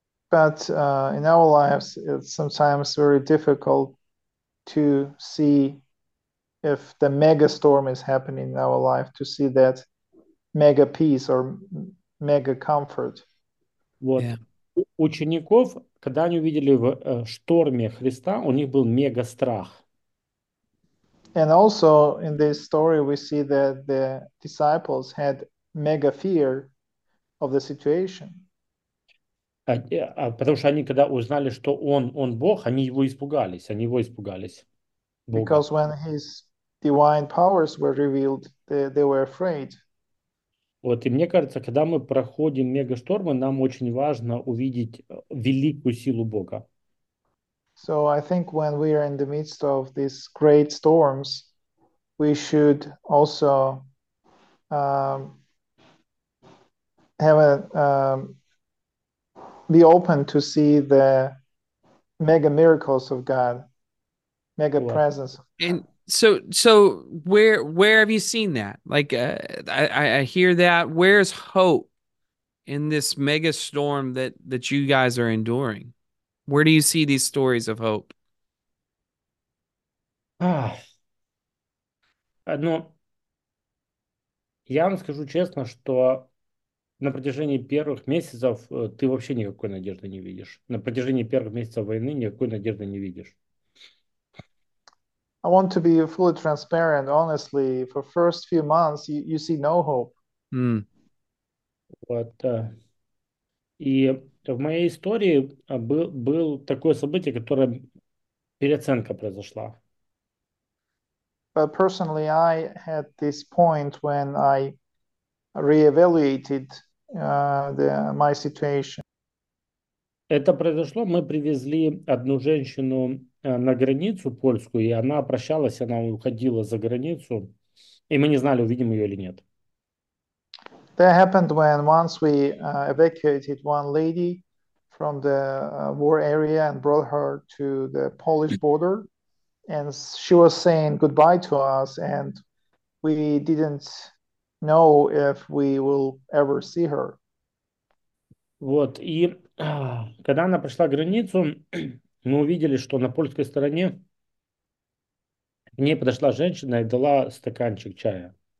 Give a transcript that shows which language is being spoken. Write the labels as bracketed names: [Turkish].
[English] But in our lives, it's sometimes very difficult to see if the mega storm is happening in our life, to see that mega peace or mega comfort. [Russian] Вот у учеников, когда они увидели в шторме Христа, у них был мега страх. [English] And also in this story, we see that the disciples had mega fear of the situation. [Russian] Потому что они, когда узнали, что он Бог, они его испугались. Они его испугались Бога. [English] Because when his divine powers were revealed, they were afraid. [Russian] Вот, и мне кажется, когда мы проходим мегаштормы, нам очень важно увидеть великую силу Бога. [English] So I think when we are in the midst of these great storms, we should also be open to see the mega miracles of God. Mega [Russian] Вот. [English] presence of And God. so where have you seen that? Like I hear that. Where's hope in this mega storm that you guys are enduring? Where do you see these stories of hope? [Russian] Ну, я вам скажу честно, что на протяжении первых месяцев ты вообще никакой надежды не видишь. На протяжении первых месяцев войны никакой надежды не видишь. [English] I want to be fully transparent, honestly. For first few months, you see no hope. [Russian] Вот. И в моей истории был такое событие, которое переоценка произошла. [English] But personally, I had this point when I reevaluated my situation. [Russian] Это произошло, мы привезли одну женщину на границу польскую, и она прощалась, она уходила за границу, и мы не знали, увидим ее или нет. [English] That happened when once we evacuated one lady from the war area and brought her to the Polish border. And she was saying goodbye to us, and we didn't know if we will ever see her. [Russian] Вот, и когда она прошла границу, мы увидели, что на польской стороне к ней подошла женщина и дала стаканчик чая.